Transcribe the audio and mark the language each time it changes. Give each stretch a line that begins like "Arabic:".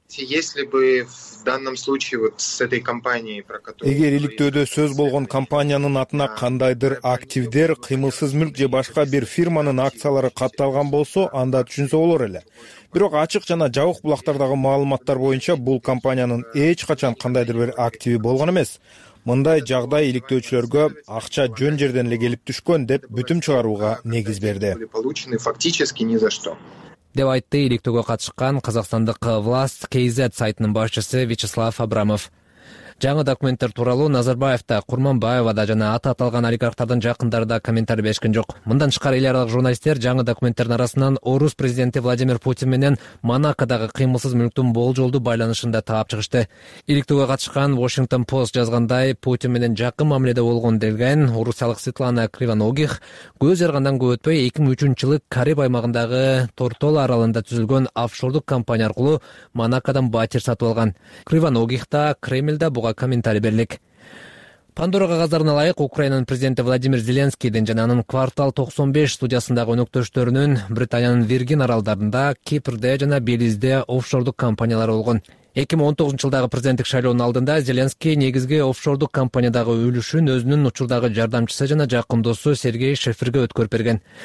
Kyrgyz: Эгер иликтөөдө сөз болгон компаниянын атына кандайдыр активдер, кыймылсыз мүлк же башка бир фирманын акциялары катталган болсо, анда түшүнсө болор эле. Бирок ачык жана жабык булактардагы маалыматтар боюнча бул компаниянын эч качан кандайдыр бир активи болгон эмес. Мындай жагдай иликтөөчүлөргө акча жөн жерден эле келип түшкөн деп бүтүм чыгарууга негиз берди.
Russian: Получены фактически ни за что.
Kyrgyz: Деп айтты иликтөөгө катышкан казакстандык власт KZ сайтынын башчысы Вячеслав Абрамов. Жаңы документтер тууралуу Назарбаев да, Курманбаева да жана аты аталган олигархтардын жакындары да комментарий беришкен жок. Мындан тышкары эл аралык журналисттер жаңы документтердин арасынан Орус президенти Владимир Путин менен Монакодогу кыймылсыз мүлктүн болжолдуу байланышын да таап чыгышты. Иликтөөгө катышкан Washington Post жазгандай, Путин менен жакын мамиледе болгон делген орусиялык Светлана Кривоногих көз жаргандан көп өтпөй 2003-жылы Кариб аймагындагы Тортол аралында түзүлгөн офшордук компания аркылуу Монакодон батир сатып алган. Кривоногих да Кремльде буга комментарий берилек. Пандора кагаздарына ылайык, Украинанын президенти Владимир Зеленскийдин жана анын Квартал 95 студиясындагы өнөктөштөрүнүн Британиянын Виргин аралдарында, Кипрде жана Белизде офшордук компаниялары болгон. 2019-жылдагы президенттик шайлоонун алдында Зеленский негизги офшордук компаниядагы үлүшүн өзүнүн учурдагы жардамчысы жана жакын досу Сергей Шефирге өткөрүп берген.